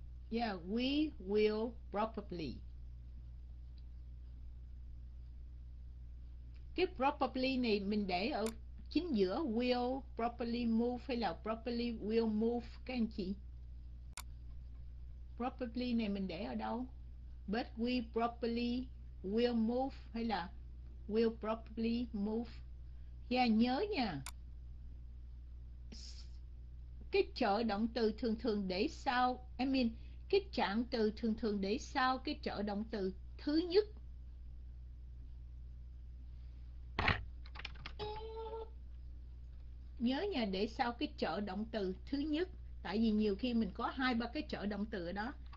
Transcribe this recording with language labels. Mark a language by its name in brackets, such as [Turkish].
[English] Yeah, we will probably. [Vietnamese] Cái probably này mình để ở chính giữa [English] will probably move [Vietnamese] hay là [English] probably will move [Vietnamese] các anh chị? Probably này mình để ở đâu? [English] But we probably will move [Vietnamese] hay là [English] will probably move? [Vietnamese] Yeah, nhớ nha. Cái trợ động từ thường thường để sau, [English] I mean, [Vietnamese] cái trạng từ thường thường để sau cái trợ động từ thứ nhất. Nhớ nha, để sau cái trợ động từ thứ nhất. Tại vì nhiều khi mình có hai ba cái trợ động từ đó.